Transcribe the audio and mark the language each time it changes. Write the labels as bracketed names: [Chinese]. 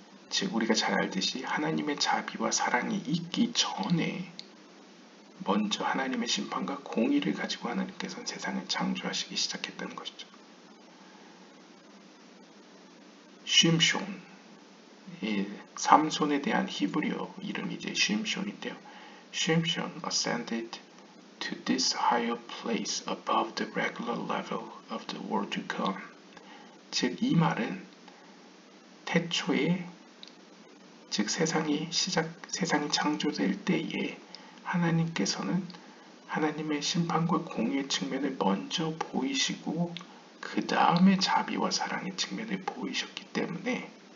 [Korean] 즉 우리가 잘 알듯이 하나님의 자비와 사랑이 있기 전에 먼저 하나님의 심판과 공의를 가지고 하나님께서는 세상을 창조하시기 시작했다는 것이죠. 쉼숀 이 삼손에 대한 히브리어 이름이 이제 쉼숀인데요. [English] 쉼숀 ascended to this higher place above the regular level of the world to come. [Korean] 즉 이 말은 태초에 즉 세상이 창조될 때에 하나님께서는 하나님의 심판과 공의의 측면을 먼저 보이시고 그 다음에 자비와 사랑의 측면을 보이셨기 때문에